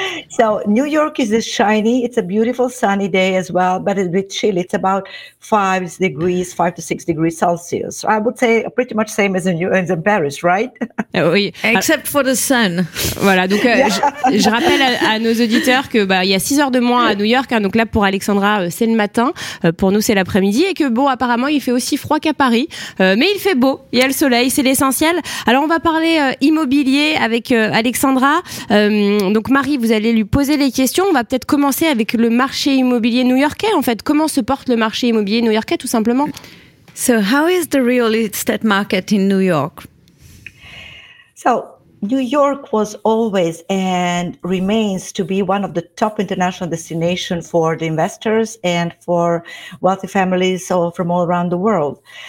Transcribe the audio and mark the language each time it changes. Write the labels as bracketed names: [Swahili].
[English] So New York is a shiny, it's a beautiful sunny day as well, but it's a bit chilly. It's about 5 to 6 degrees Celsius. So I would say pretty much same as in Paris, right? Oui, except for the sun. [French] Voilà, donc je rappelle à nos auditeurs que il y a 6 heures de moins à New York, hein, donc là pour Alexandra c'est le matin, pour nous c'est l'après-midi, et que apparemment il fait aussi froid qu'à Paris, mais il fait beau, il y a le soleil, c'est l'essentiel. Alors on va parler immobilier avec Alexandra. Donc Marie, vous allez lui poser les questions. On va peut-être commencer avec le marché immobilier new-yorkais. En fait, comment se porte le marché immobilier new-yorkais, tout simplement? [English] So, how is the real estate market in New York? So, New York was always and remains to be one of the top international destinations for the investors and for wealthy families from all around the world.